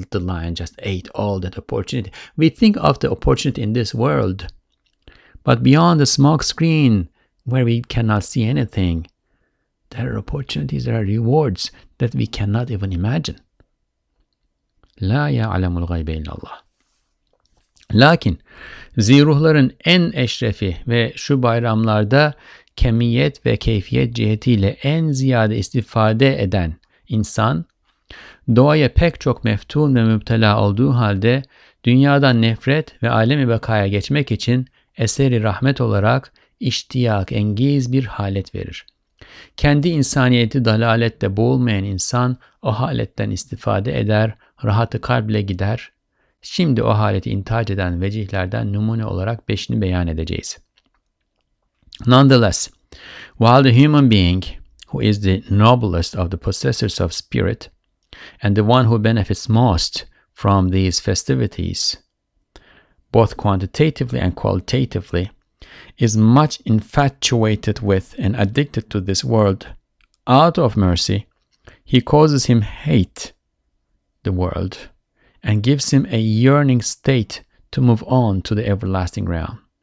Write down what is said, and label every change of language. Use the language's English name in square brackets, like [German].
[English] The lion just ate all that opportunity. We think of the opportunity in this world, but beyond the smoke screen where we cannot see anything, there are opportunities, there are rewards that we cannot even imagine. [Arabic] La ya'lamul ghaybe illallah. [Turkish] Lakin, zihruhların en eşrefi ve şu bayramlarda kemiyet ve keyfiyet cihetiyle en ziyade istifade eden insan, doğaya pek çok meftun ve müptela olduğu halde dünyadan nefret ve alemi bekaya geçmek için eseri rahmet olarak iştiyak engiz bir halet verir. Kendi insaniyeti dalalette boğulmayan insan o haletten istifade eder, rahatı kalple gider. Şimdi o haleti intihac eden vecihlerden numune olarak beşini beyan edeceğiz. [English] Nonetheless, while the human being, who is the noblest of the possessors of spirit, and the one who benefits most from these festivities, both quantitatively and qualitatively, is much infatuated with and addicted to this world, out of mercy, he causes him hate the world and gives him a yearning state to move on to the everlasting realm.